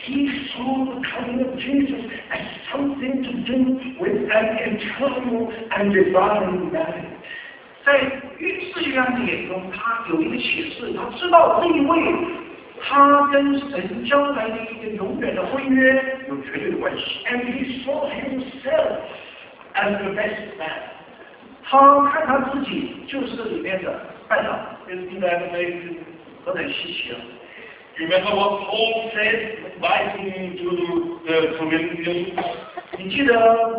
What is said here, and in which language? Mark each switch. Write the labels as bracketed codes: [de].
[en] He saw the coming of Jesus as something to do with an eternal and divine marriage. [zh] 在使徒约翰眼中，他有一个启示，他知道这一位他跟神将来的一个永远的婚约有绝对的关系。 [en] And he saw himself as the best man. [zh] 他看他自己就是里面的班长 [en] Isn't that amazing? [zh] 何等稀奇啊 [en] Remember what Paul said writing to the Corinthians?